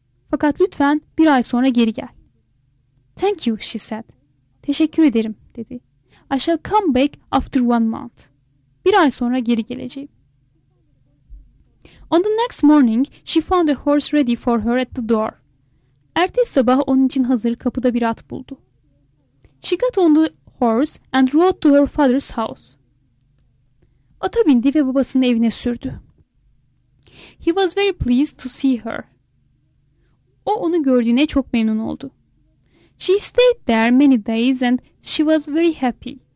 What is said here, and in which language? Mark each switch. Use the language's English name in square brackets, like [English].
[Turkish] Fakat lütfen bir ay sonra geri gel. [English] Thank you, she said. [Turkish] Teşekkür ederim, dedi. [English] I shall come back after one month. [Turkish] Bir ay sonra geri geleceğim. [English] On the next morning, she found a horse ready for her at the door. [Turkish] Ertesi sabah onun için hazır kapıda bir at buldu. [English] She got on the horse and rode to her father's house. [Turkish] Ata bindi ve babasının evine sürdü. [English] He was very pleased to see her. [Turkish] O onu gördüğüne çok memnun oldu. [English] She stayed there many days and she was very happy.